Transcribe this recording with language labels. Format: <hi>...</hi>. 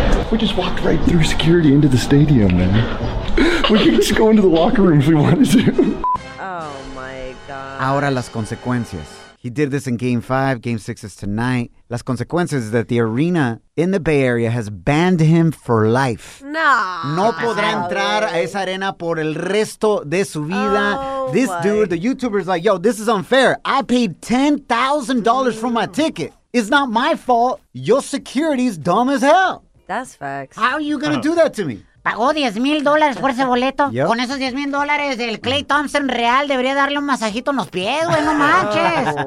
<en>We just walked right through security into the stadium, man. We can just go into the locker room if we wanted to. Oh, my God.</en> <es>Ahora las consecuencias.</es> <en>He did this in Game 5. Game 6 is tonight.</en> <es>Las consecuencias</es> <en>is that the arena in the Bay Area has banned him for life. No.</en> <es>No podrá entrar a esa arena por el resto de su vida.</es> <en>Oh, this my. Dude, the YouTuber, is like, yo, this is unfair. I paid $10,000 for my ticket. It's not my fault. Your security's dumb as hell. That's facts. How are you going to do that to me?</en> <es>¿Pagó $10,000 por ese boleto?</es> <en>Yep.</en> <es>Con esos $10,000, el Klay Thompson Real debería darle un masajito en los pies, güey, no manches.</es>